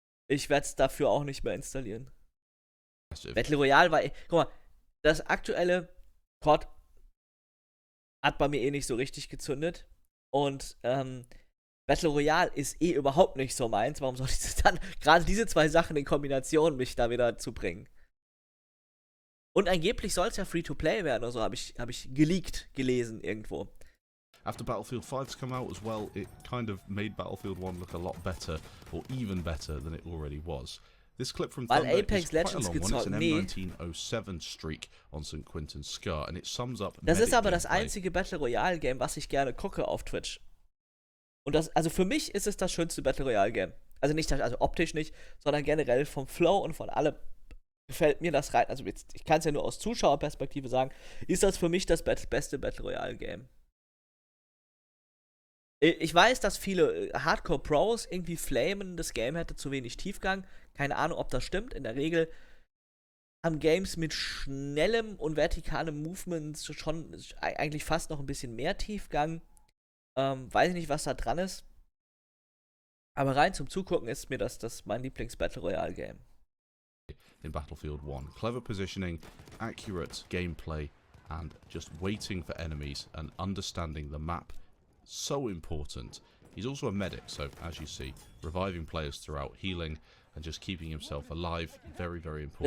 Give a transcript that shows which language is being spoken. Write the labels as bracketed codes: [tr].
[de] Ich werde es dafür auch nicht mehr installieren. Battle Royale war, guck mal, das aktuelle COD hat bei mir eh nicht so richtig gezündet. Und Battle Royale ist eh überhaupt nicht so meins. Warum soll ich dann gerade diese zwei Sachen in Kombination mich da wieder zu bringen? Und angeblich soll es ja Free-to-Play werden oder so, hab ich geleakt gelesen irgendwo. [en] After Battlefield 5's come out as well, it kind of made Battlefield 1 look a lot better, or even better than it already was. This clip from Thunder Apex is Legends quite a long one. It's an M1907 streak on St. Quentin Scar, and it sums up. [de] Das ist aber das einzige Battle Royale Game, was ich gerne gucke auf Twitch. Und das, also für mich ist es das schönste Battle Royale Game. Also nicht, also optisch nicht, sondern generell vom Flow und von allem gefällt mir das rein. Also jetzt, ich kann es ja nur aus Zuschauerperspektive sagen, ist das für mich das beste Battle Royale Game. Ich weiß, dass viele Hardcore-Pros irgendwie flamen, das Game hätte zu wenig Tiefgang. Keine Ahnung, ob das stimmt. In der Regel haben Games mit schnellem und vertikalem Movement schon eigentlich fast noch ein bisschen mehr Tiefgang. Weiß ich nicht, was da dran ist. Aber rein zum Zugucken ist mir das mein Lieblings-Battle-Royale-Game. [en] In Battlefield 1. Clever positioning, accurate gameplay and just waiting for enemies and understanding the map. So important. He's also a medic, so as you see, reviving players throughout, healing and just keeping himself alive, very, very important.